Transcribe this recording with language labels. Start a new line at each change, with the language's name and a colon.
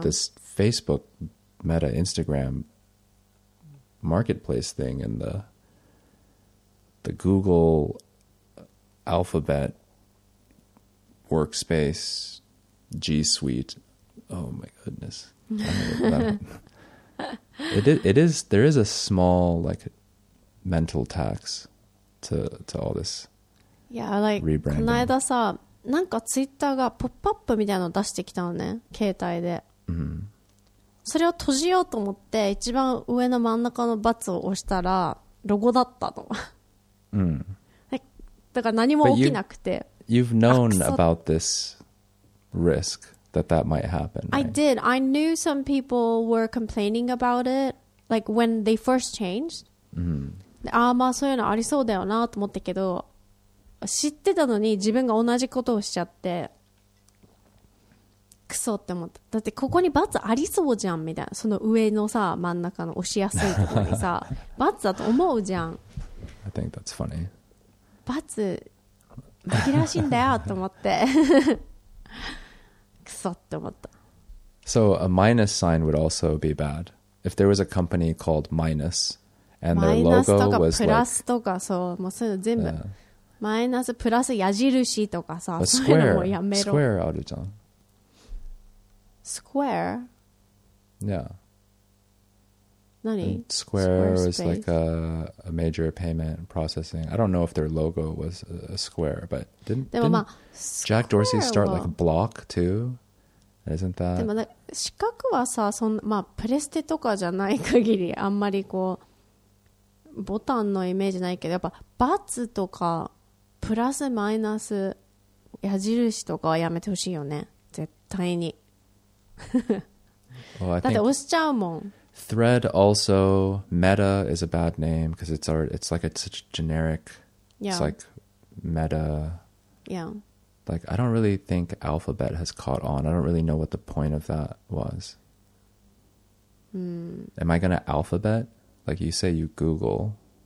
English: this Facebook Meta Instagram marketplace thing and the Google Alphabet workspace G Suite. Oh my goodness. There is a small like mental tax to all this. Yeah, like rebranding.
Japanese: この間さ、なんかツイッターがポップアップみたいなの出してきたのね、携帯で。 Mm-hmm. それを閉じようと思って一番上の真ん中のバツを押したらロゴだったの。 Mm-hmm. だから何も起きなくて。
English: You've known about this risk. That might happen, right? I did. I knew some people were complaining about it, like when they first changed. Mm-hmm.
Japanese: ああ、まあそういうのありそうだよなと思ったけど、知ってたのに自分が同じことをしちゃって、クソって思った。だってここに罰ありそうじゃんみたいな、その上のさ、真ん中の押しやすいところにさ、罰だと思うじゃん。
English: I think that's funny.
Japanese: 罰、紛らわしいんだよと思って。
English: So a minus sign would also be bad. If there was a company called Minus and their logo was like
Japanese: とかそう、もうそういうの全部、yeah. マイナスプラス矢印とかさ、そういうのもやめろ。Square あるじゃん。
English: Square? Yeah.
Japanese: 何?
English: And Square was like a major payment processing. I don't know if their logo was a square, but didn't Jack Dorsey start like a block too? Isn't that...
Japanese: でもなんか四角はさそん、まあ、プレステとかじゃない限りあんまりこうボタンのイメージないけどやっぱバツとかプラスマイナス矢印とかはやめてほしいよね絶対に
English: well,
Japanese: だって押しちゃうもん
English: Thread also Meta is a bad name because it's like it's such a generic it's like Meta yeah Like, I don't really think Alphabet has caught on. I don't really know what the point of that was. Am I going to Alphabet? Like, you say you Google.